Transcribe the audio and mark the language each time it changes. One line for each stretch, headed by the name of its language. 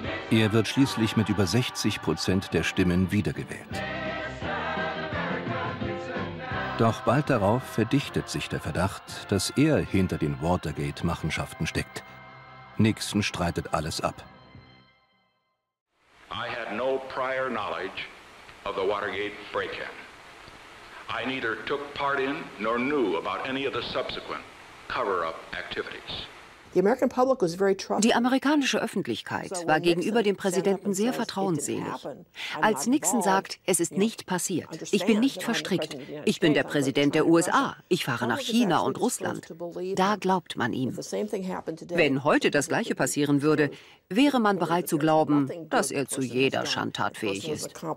German: Er wird schließlich mit über 60% der Stimmen wiedergewählt. Doch bald darauf verdichtet sich der Verdacht, dass er hinter den Watergate-Machenschaften steckt. Nixon streitet alles ab.
English: I had no prior knowledge of the Watergate break-in. I neither took part in nor knew about any of the subsequent cover-up activities.
German: Die amerikanische Öffentlichkeit war gegenüber dem Präsidenten sehr vertrauensselig. Als Nixon sagt, es ist nicht passiert, ich bin nicht verstrickt, ich bin der Präsident der USA, ich fahre nach China und Russland, da glaubt man ihm. Wenn heute das Gleiche passieren würde, wäre man bereit zu glauben, dass er zu jeder Schandtat fähig ist.